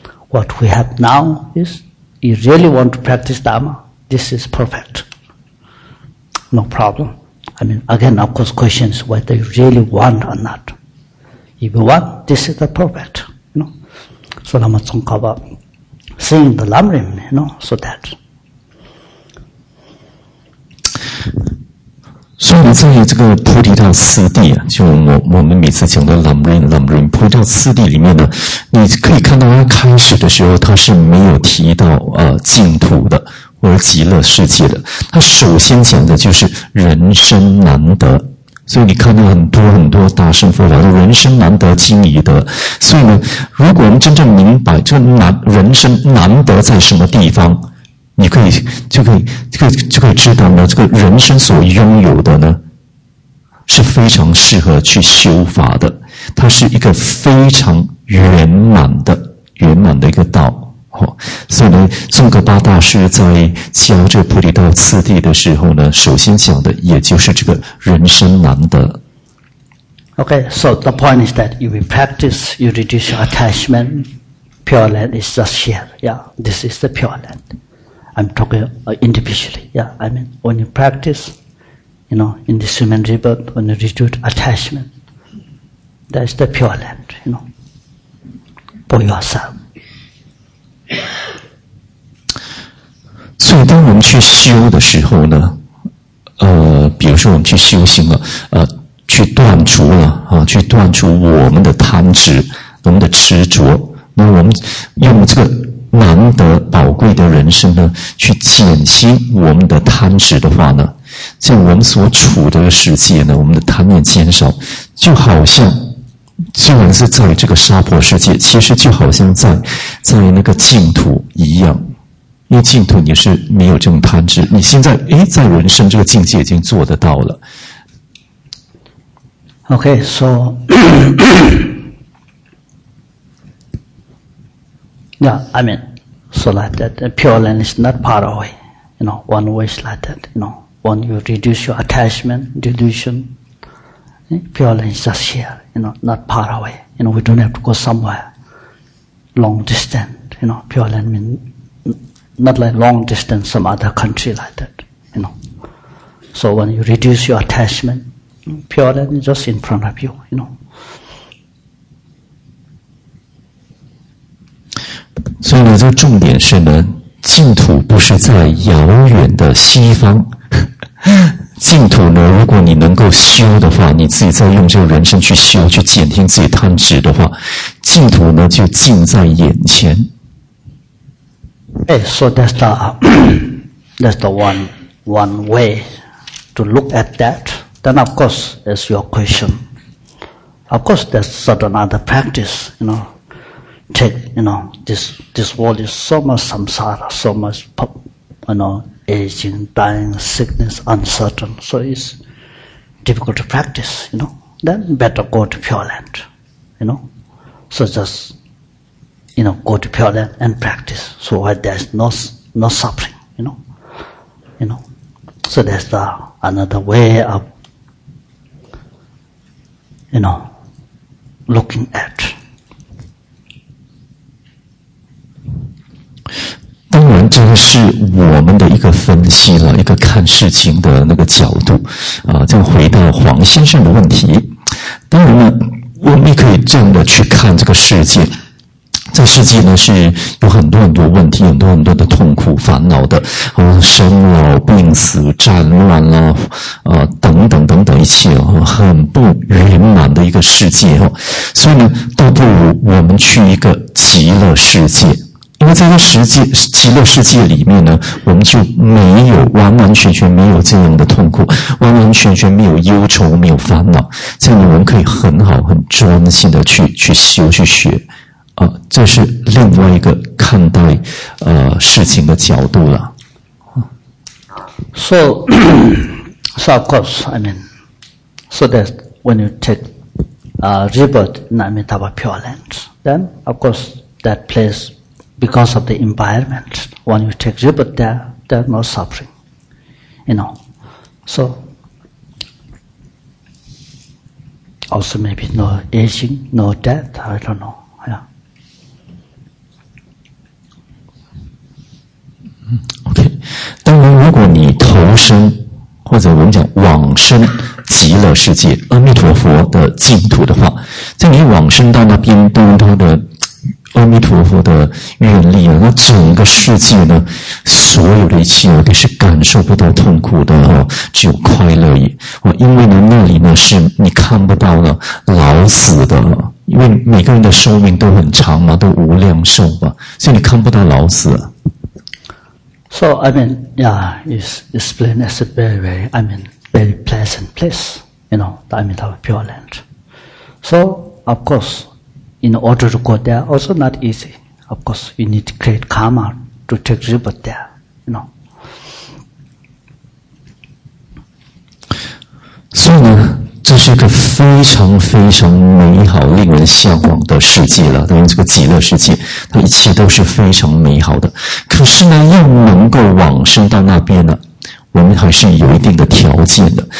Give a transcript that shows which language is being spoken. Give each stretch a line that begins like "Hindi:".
English: What we have now is, you really want to practice Dharma, this is perfect. No problem. I mean, again, of course, questions whether you really want or not. If you want, this is the perfect, you know. So Lama Tsongkhapa saying the Lamrim, you know, so that.
Chinese: 所以在这个菩提道四谛，就我们每次讲的 Lamrim 菩提道四谛里面呢，你可以看到他开始的时候他是没有提到净土的或者极乐世界的，他首先讲的就是人生难得。所以你看到很多大乘佛法的人生难得经已得，所以呢，如果我们真正明白这人生难得在什么地方，你可以就可以知道呢，这个人生所拥有的呢是非常适合去修法的，它是一个非常圆满的一个道、哦、所以呢，宗喀巴大师在教这菩提道次第的时候呢，首先讲的也就是这个人生难得。
English: OK, so the point is that if you practice, you reduce your attachment, pure land is just here. Yeah, this is the pure landI'm talking individually, yeah. I mean, when you practice, you know, in this human rebirth, when you reduce attachment, that's the pure land, you know, for yourself.
Chinese: 所以当我们去修的时候呢，比如说我们去修行了，去断除了啊，去断除我们的贪执，我们的执着。那我们用这个难得宝贵的人生呢，去减轻我们的贪执的话呢，在我们所处的世界呢，我们的贪念减少，就好像虽然是在这个娑婆世界，其实就好像在那个净土一样。因为净土你是没有这种贪执，你现在诶在人生这个境界已经做得到了。
English: OK, so, yeah, I mean, so like that, pure land is not part of it. You know, one way is like that, you know, when you reduce your attachment, delusion, pure land is just here, you know, not part of it. You know, we don't have to go somewhere long distance, you know, pure land means not like long distance, some other country like that, you know. So when you reduce your attachment, pure land is just in front of you, you know.
Chinese: 所以呢，这个重点是呢，净土不是在遥远的西方。净土呢，如果你能够修的话，你自己再用这个人生去修，去减轻自己贪执的话，净土呢就近在眼前。
English: Hey, so that's the one way to look at that. Then of course, is your question. Of course, there's certain other practice, you know. Take, you know, this world is so much samsara, so much, you know, aging, dying, sickness, uncertain. So it's difficult to practice, you know. Then better go to pure land, you know. So just,you know, go to pure land and practice. So where there's no suffering, you know. So there's another way of, you know, looking at.
Chinese: 当然这个是我们的一个分析了，一个看事情的那个角度。再回到黄先生的问题。当然呢，我们也可以这样的去看这个世界。这世界呢是有很多很多问题，很多很多的痛苦烦恼的，生老病死战乱啦、等等等等一切、很不圆满的一个世界、所以呢倒不如我们去一个极乐世界，因为在这世界极乐世界里面呢，我们就没有完完全全没有这样的痛苦，完完全全没有忧愁，没有烦恼，这样我们可以很好很专心的去修去学啊，这是另外一个看待事情的角度了。
English: So of course, I mean, so that when you take rebirth in Amitabha Pure Land, then of course that place because of the environment, when you take rebirth there's no suffering, you know. So also maybe no aging, no death. I don't know.
Chinese: OK, 当然如果你投身或者我们讲往生极乐世界阿弥陀佛的净土的话，在你往生到那边多多的阿弥陀佛的愿力、那整个世界呢所有的一切都是感受不到痛苦的、只有快乐也、因为呢那里呢是你看不到了老死的，因为每个人的寿命都很长嘛，都无量寿嘛，所以你看不到老死。
English: So, I mean, yeah, it's explained as a very, very, I mean, very pleasant place, you know, the Amitabha Pure Land. So, of course, in order to go there, also not easy. Of course, you need to create karma to take rebirth there, you know.
Chinese: 所以呢，这是一个非常非常美好、令人向往的世界了。当然，这个极乐世界，它一切都是非常美好的。可是呢，要能够往生到那边呢，我们还是有一定的条件的。